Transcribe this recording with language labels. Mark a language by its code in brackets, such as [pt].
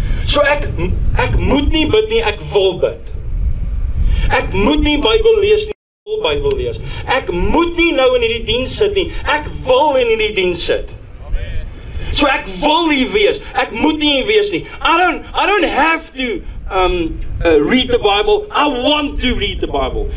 [af] So ek moet nie bid nie, ek wil bid. Ek moet nie Bybel lees nie, ek wil Bybel lees. Ek moet nie nou in die diens sit nie, ek wil in die diens sit. So ek wil nie wees, ek moet nie wees nie. [en] I don't have to read the Bible, I want to read the Bible.